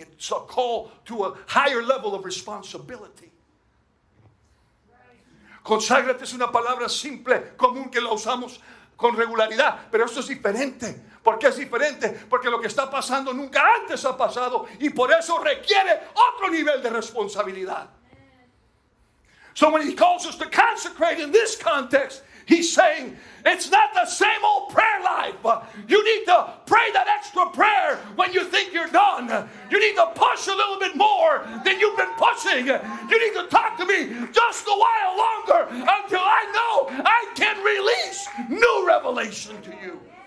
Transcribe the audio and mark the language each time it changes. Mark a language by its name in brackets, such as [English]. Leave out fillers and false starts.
[English] It's a call to a higher level of responsibility. [Spanish] Conságrate es una palabra simple, común, que la usamos con regularidad. Pero esto es diferente. ¿Por qué es diferente? Porque lo que está pasando nunca antes ha pasado. Y por eso requiere otro nivel de responsabilidad. [English] So when he calls us to consecrate in this context, he's saying, it's not the same old prayer life. You need to pray that extra prayer when you think you're done. You need to push a little bit more than you've been pushing. You need to talk to me just a while longer until I know I can release new revelation to you.